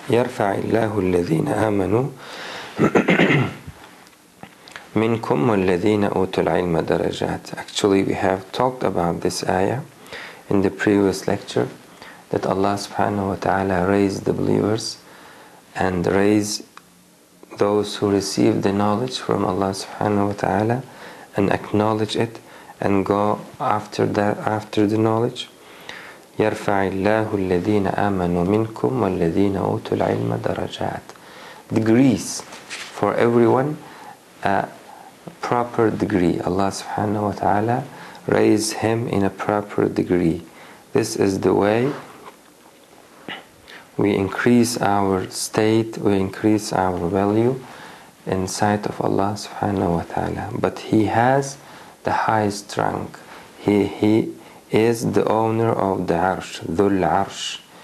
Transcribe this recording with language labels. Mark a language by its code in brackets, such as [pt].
[ar] يَرْفَعِ اللَّهُ الَّذِينَ آمَنُوا مِنْكُمْ وَالَّذِينَ أُوتُوا الْعِلْمَ دَرَجَاتِ [en] Actually, we have talked about this ayah in the previous lecture, that Allah subhanahu wa ta'ala raised the believers and raised those who receive the knowledge from Allah subhanahu wa ta'ala and acknowledge it and go after that, after the knowledge. [ar] يَرْفَعِ اللَّهُ الَّذِينَ آمَنُوا مِنْكُمْ وَالَّذِينَ أُوتُوا الْعِلْمَ دَرَجَاتِ [en] Degrees for everyone, a proper degree. Allah subhanahu wa ta'ala raise him in a proper degree. This is the way we increase our state, we increase our value in sight of Allah subhanahu wa ta'ala. But he has the highest rank. He is the owner of the arsh, dhul arsh.